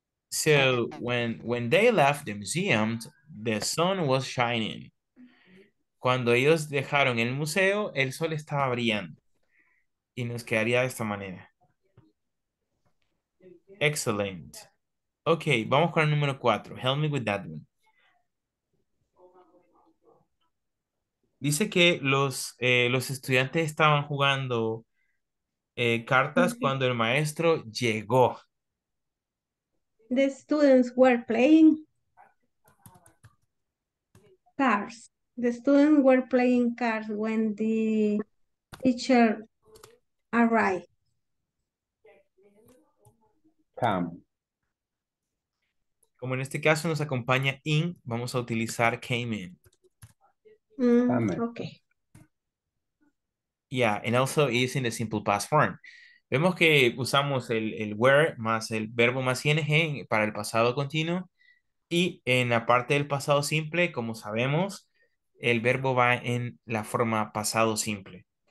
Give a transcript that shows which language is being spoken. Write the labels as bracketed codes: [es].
[en] So when they left the museum, the sun was shining. [es] Cuando ellos dejaron el museo, el sol estaba brillando. Y nos quedaría de esta manera. [en] Excellent. Ok, [es] vamos con el número 4. [en] Help me with that one. [es] Dice que los estudiantes estaban jugando cartas cuando el maestro llegó. [en] The students were playing cards. The students were playing cards when the teacher arrived. Come. [es] Como en este caso nos acompaña in, vamos a utilizar came in. Mm, okay. [en] Yeah, and also is in the simple past form. [es] Vemos que usamos el were más el verbo más ing para el pasado continuo. Y en la parte del pasado simple, como sabemos, el verbo va en la forma pasado simple.